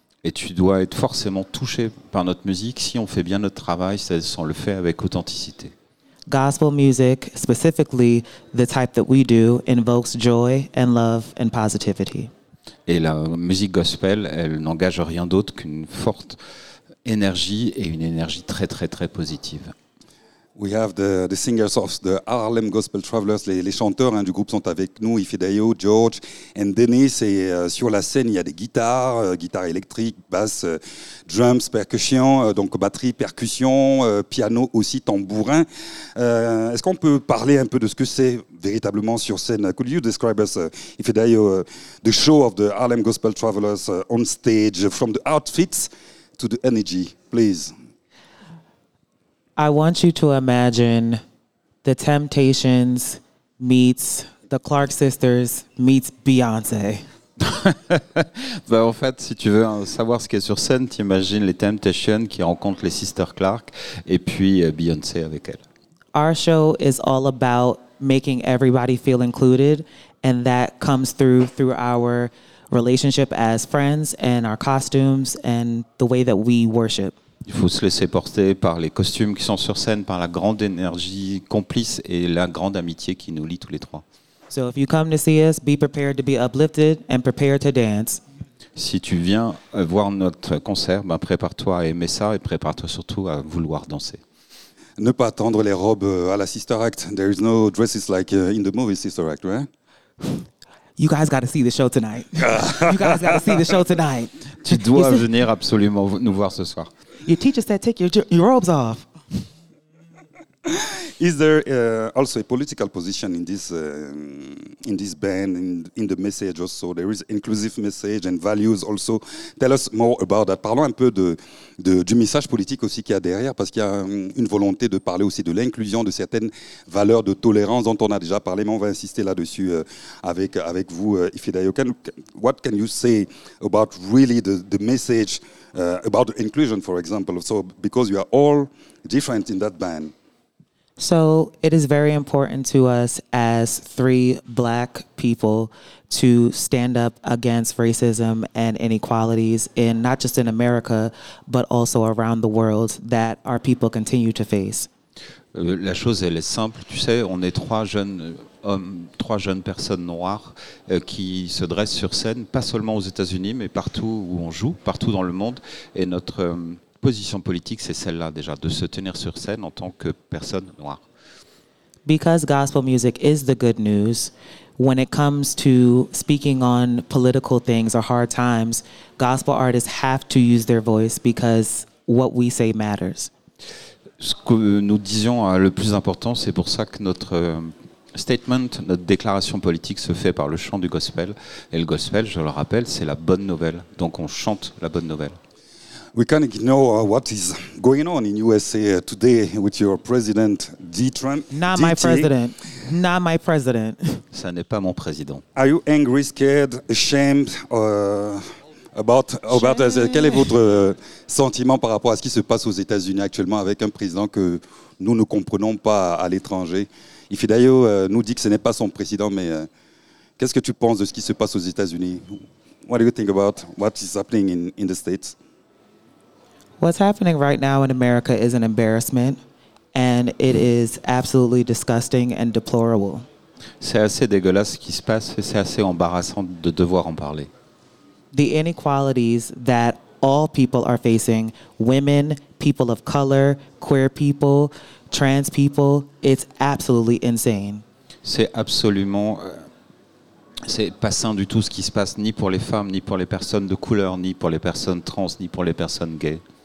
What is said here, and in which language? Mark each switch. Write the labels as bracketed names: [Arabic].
[French] Et tu dois être forcément touché par notre musique si on fait bien notre travail, c'est-à-dire si on le fait avec authenticité. [English] Gospel music, specifically the type that we do, invokes joy and love and positivity. [French] Et la musique gospel, elle n'engage rien d'autre qu'une forte énergie et une énergie très très très positive. [English] We have the singers of the Harlem Gospel Travelers. [French] Les chanteurs du groupe sont avec nous, Ifedayo, George and Dennis. Et sur la scène, il y a des guitares, guitare électrique, basse, drums, percussion, donc batterie, percussion, piano aussi, tambourin. Est-ce qu'on peut parler un peu de ce que c'est véritablement sur scène? [English] Could you describe us, Ifedayo, the show of the Harlem Gospel Travelers on stage, from the outfits to the energy, please? I want you to imagine the Temptations meets the Clark Sisters meets Beyoncé. [French] Ben en fait, si tu veux savoir ce qui est sur scène, tu imagines les Temptations qui rencontrent les Sisters Clark et puis Beyoncé avec elle. [English] Our show is all about making everybody feel included, and that comes through our relationship as friends and our costumes and the way that we worship. [French] Il faut se laisser porter par les costumes qui sont sur scène, par la grande énergie complice et la grande amitié qui nous lie tous les trois. [English] So if you come to see us, be prepared to be uplifted and prepare to dance. [French] Si tu viens voir notre concert, ben prépare-toi à aimer ça et prépare-toi surtout à vouloir danser. Ne pas tendre les robes à la Sister Act. [English] There is no dresses like in the movie Sister Act, right? You guys got to see the show tonight. [French] Tu dois venir absolument nous voir ce soir. [English] Your teacher said take your robes off. Is there also a political position in this band, in the message also? There is inclusive message and values also. Tell us more about that. [French] Parlons un peu du message politique aussi qu'il y a derrière, parce qu'il y a une volonté de parler aussi de l'inclusion, de certaines valeurs de tolérance dont on a déjà parlé, mais on va insister là-dessus avec vous, Ifedayo. [English] What can you say about really the message about the inclusion, for example? So because you are all different in that band. So it is very important to us as three black people to stand up against racism and inequalities in not just in America, but also around the world that our people continue to face. [French] La chose, elle est simple. Tu sais, on est trois jeunes personnes noires qui se dressent sur scène, pas seulement aux États-Unis, mais partout où on joue, partout dans le monde. Et notre position politique, c'est celle-là déjà, de se tenir sur scène en tant que personne noire. [English] Because gospel music is the good news, when it comes to speaking on political things or hard times, gospel artists have to use their voice because what we say matters. [French] Ce que nous disions le plus important, c'est pour ça que notre statement, notre déclaration politique se fait par le chant du gospel. Et le gospel, je le rappelle, c'est la bonne nouvelle. Donc on chante la bonne nouvelle. [English] We can't ignore what is going on in USA today with your president, D. Trump. Not my president. [French] Ça n'est pas mon président. [English] Are you angry, scared, ashamed about us? [French] Quel est votre sentiment par rapport à ce qui se passe aux États-Unis actuellement avec un président que nous ne comprenons pas à l'étranger? Ifedayo nous dit que ce n'est pas son président, mais qu'est-ce que tu penses de ce qui se passe aux États-Unis? [English] What do you think about what is happening in the States? What's happening right now in America is an embarrassment, and it is absolutely disgusting and deplorable. [French] C'est assez dégueulasse ce qui se passe, et c'est assez embarrassant de devoir en parler. [English] The inequalities that all people are facing, women, people of color, queer people, trans people, it's absolutely insane. [French] C'est absolument... C'est pas sain du tout ce qui se passe, ni pour les femmes, ni pour les personnes de couleur, ni pour les personnes trans, ni pour les personnes gays.